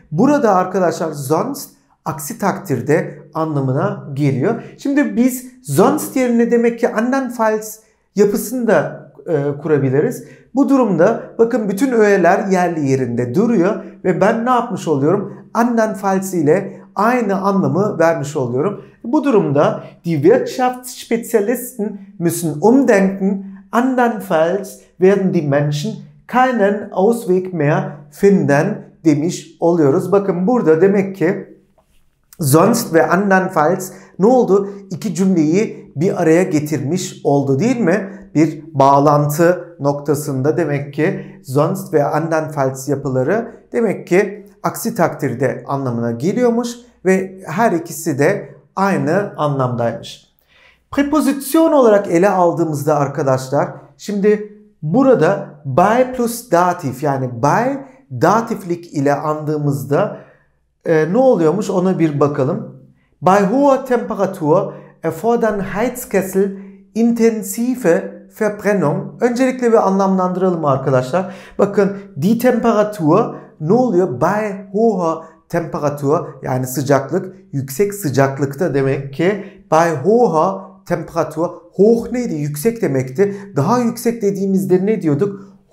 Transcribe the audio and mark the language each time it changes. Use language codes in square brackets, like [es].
[tr] Burada arkadaşlar sonst, aksi takdirde anlamına geliyor. Şimdi biz sonst yerine demek ki andernfalls yapısını da kurabiliriz. Bu durumda bakın bütün öğeler yerli yerinde duruyor ve ben ne yapmış oluyorum? Andernfalls ile aynı anlamı vermiş oluyorum. Bu durumda [de] die Wirtschaftsspezialisten müssen umdenken, andernfalls werden die Menschen keinen Ausweg mehr finden [tr] demiş oluyoruz. Bakın burada demek ki sonst ve andernfalls ne oldu? İki cümleyi bir araya getirmiş oldu değil mi? Bir bağlantı noktasında demek ki sonst ve andernfalls yapıları demek ki aksi takdirde anlamına geliyormuş ve her ikisi de aynı anlamdaymış. Preposition olarak ele aldığımızda arkadaşlar, şimdi burada bei plus datif, yani bei datiflik ile andığımızda ne oluyormuş ona bir bakalım. [de] Bei hoher Temperatur erfordern Heizkessel intensive Verbrennung. [tr] Öncelikle bir anlamlandıralım arkadaşlar. Bakın die Temperatur ne oluyor? [de] Bei hoher Temperatur, [tr] yani sıcaklık, yüksek sıcaklıkta demek ki [de] bei hoher Temperatur. [tr] Hoch neydi? Yüksek demekti. Daha yüksek dediğimizde ne diyorduk?